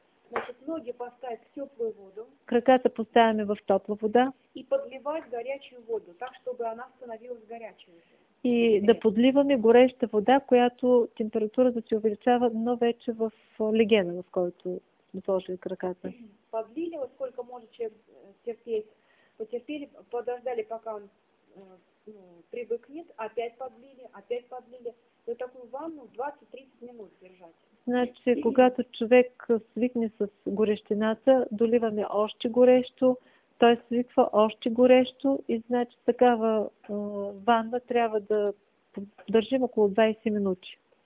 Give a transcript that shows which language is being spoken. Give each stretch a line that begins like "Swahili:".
Russian: Значит, ноги поставят в теплую воду.
Bulgarian: Краката поставяме в топла вода.
Russian: И подливать горячую воду, так, чтобы она становилась горячей.
Bulgarian: И да подливаме гореща вода, която температурата се увеличава, но вече в легена, в който сме сложили краката.
Russian: Подлили, вот сколько може человек терпеть. Потерпели, подождали, пока он привыкнет, опять подлили. За такую ванну 20-30 минут держать.
Bulgarian: Значи, когато човек свикне с горещината, доливаме още горещо, той свиква още горещо и значи такава ванна трябва да държим около 20 минути.